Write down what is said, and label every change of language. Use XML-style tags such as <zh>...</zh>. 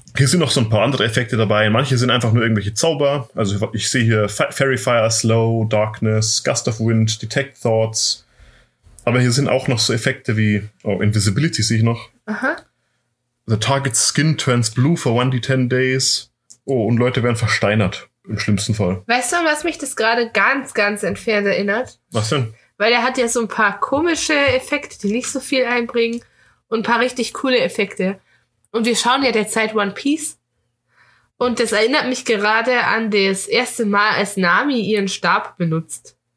<de>Hier sind noch so ein paar andere Effekte dabei. Manche sind einfach nur irgendwelche Zauber. Also ich sehe hier Fairy Fire, Slow, Darkness, Gust of Wind, Detect Thoughts. Aber hier sind auch noch so Effekte wie Invisibility sehe ich noch. Aha.</de> <en>The target's skin turns blue for 1d10 days.</en> <de>Oh, und Leute werden versteinert. Im schlimmsten Fall. Weißt du, an was mich das gerade ganz, ganz entfernt erinnert? Was denn? Weil er hat ja so ein paar komische Effekte, die nicht so viel einbringen und ein paar richtig coole Effekte. Und wir schauen ja derzeit One Piece und das erinnert mich gerade an das erste Mal, als Nami ihren Stab benutzt.</de>